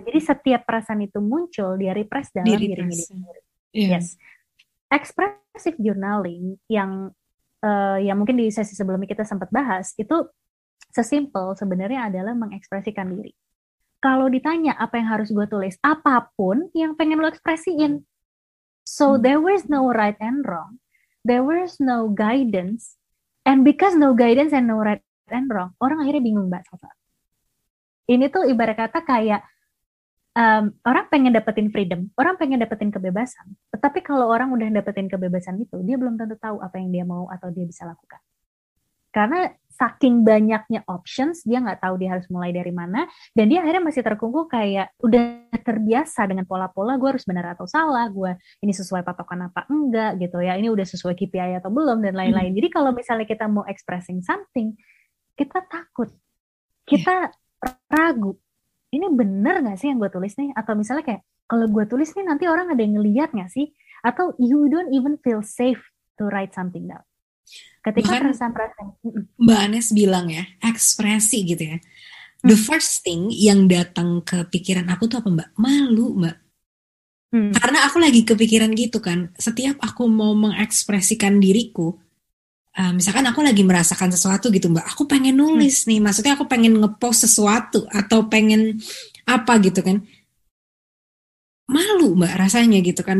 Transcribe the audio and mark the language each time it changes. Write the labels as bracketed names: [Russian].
[Indonesian] Jadi setiap perasaan itu muncul dia repress dalam diri sendiri. Yes, expressive journaling yang mungkin di sesi sebelumnya kita sempat bahas itu sesimpel sebenarnya adalah mengekspresikan diri. Kalau ditanya apa yang harus gue tulis, apapun yang pengen lo ekspresiin. [English] So there was no right and wrong, there was no guidance, and because no guidance and no right and wrong, [Indonesian] orang akhirnya bingung, [English] Mbak Sasa. [Indonesian] Ini tuh ibarat kata kayak orang pengen dapetin freedom, orang pengen dapetin kebebasan, tetapi kalau orang udah dapetin kebebasan itu, dia belum tentu tahu apa yang dia mau atau dia bisa lakukan. Karena saking banyaknya options, dia gak tahu dia harus mulai dari mana, dan dia akhirnya masih terkungkung kayak udah terbiasa dengan pola-pola, gue harus benar atau salah, gue ini sesuai patokan apa enggak, gitu ya, ini udah sesuai KPI atau belum, dan lain-lain. Jadi kalau misalnya kita mau expressing something, kita takut, kita ragu, ini benar gak sih yang gue tulis nih? Atau misalnya kayak, kalau gue tulis nih nanti orang ada yang ngeliat gak sih? [English] Atau you don't even feel safe to write something down. [Indonesian] Ketika perasaan-perasaan. Mbak Anes bilang ya, ekspresi gitu ya. [English] The first thing [Indonesian] yang datang ke pikiran aku tuh apa Mbak? Malu Mbak. Karena aku lagi kepikiran gitu kan, setiap aku mau mengekspresikan diriku, misalkan aku lagi merasakan sesuatu gitu Mbak, aku pengen nulis nih, maksudnya aku pengen ngepost sesuatu atau pengen apa gitu kan, malu Mbak rasanya gitu kan.